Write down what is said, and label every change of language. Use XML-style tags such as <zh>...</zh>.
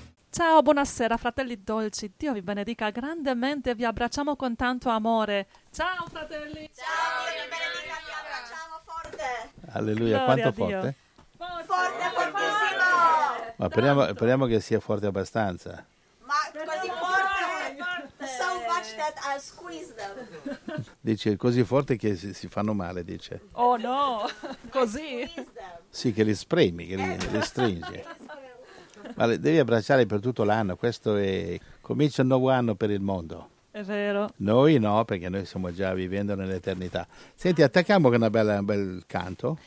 <it>Ciao, buonasera, fratelli dolci. Dio vi benedica grandemente, vi abbracciamo con tanto amore. Ciao, fratelli. Ciao, Dio vi benedica, vi abbracciamo forte. Alleluia, quanto a Dio. Forte. Forte, fortissimo. Ma speriamo che sia forte abbastanza. Ma così forte.</it> <en>So much that I'll squeeze them.</en> <it>Dice, così forte che si fanno male, dice. Oh no, così. Sì, che li spremi, che li stringi. Ma devi abbracciare per tutto l'anno, questo è... comincia un nuovo anno per il mondo. È vero. Noi no, perché noi stiamo già vivendo nell'eternità. Senti, attacchiamo con un bel canto.</it>